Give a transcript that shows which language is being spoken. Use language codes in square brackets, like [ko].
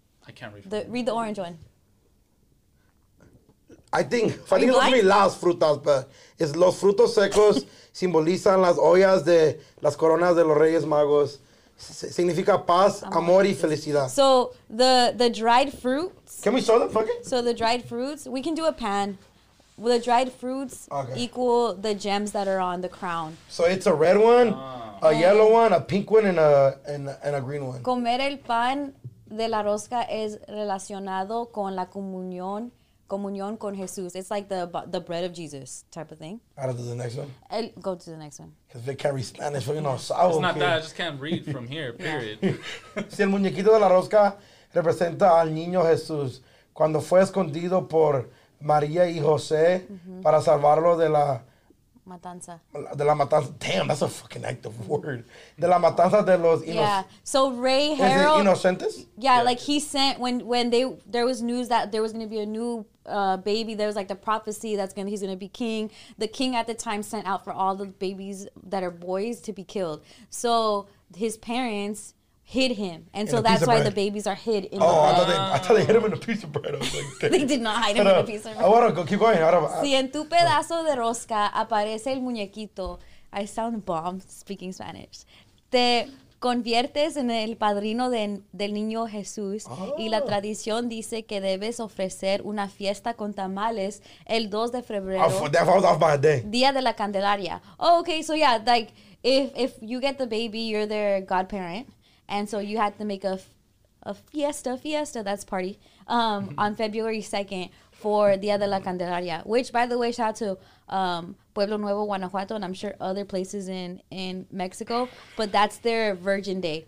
[en] I can't read. Read the orange one. I think it's going to be [es] las frutas, [en] but it's [es] los frutos secos simbolizan las ollas de las coronas de los Reyes Magos. Significa paz, amor y felicidad. [en] So the dried fruits. Can we show them? Fuck it. So the dried fruits, we can do a pan. The dried fruits equal the gems that are on the crown. So it's a red one, a yellow one, a pink one, and a green one. [es] Comer el pan de la rosca es relacionado con la comunión comunión con Jesús. [en] It's like the bread of Jesus type of thing. How to do the next one? Go to the next one. Because Vic can't read Spanish. Yeah. It's not okay. That. I just can't read from here, period. [es] Si el muñequito de la rosca representa al niño Jesús cuando fue escondido por María y José para salvarlo de la... Matanza. De la matanza. [en] Damn, that's a fucking active word. [es] De la matanza de los inocentes. [en] Yeah, so Ray Harold. [es] Inocentes? [en] Yeah, yeah, like he sent, when they there was news that there was going to be a new baby, there was like the prophecy that's gonna he's going to be king. The king at the time sent out for all the babies that are boys to be killed. So his parents hid him. And so that's why the babies are hid in the bread. I thought they hid him in a piece of bread. I was like, they did not hide him in a piece of bread. I want to go. Keep going. [es] Si en tu pedazo de rosca aparece el muñequito, [en] I sound bomb speaking Spanish, [es] te conviertes en el padrino del niño Jesús. Y la tradición dice que debes ofrecer una fiesta con tamales el 2 de febrero. [en] That falls off by a day. [es] Día de la Candelaria. [en] Oh, okay. So yeah, like if you get the baby, you're their godparent. And so you had to make a fiesta, that's party, on February 2nd for Dia de la Candelaria, which, by the way, shout out to Pueblo Nuevo, Guanajuato, and I'm sure other places in Mexico, but that's their Virgin Day.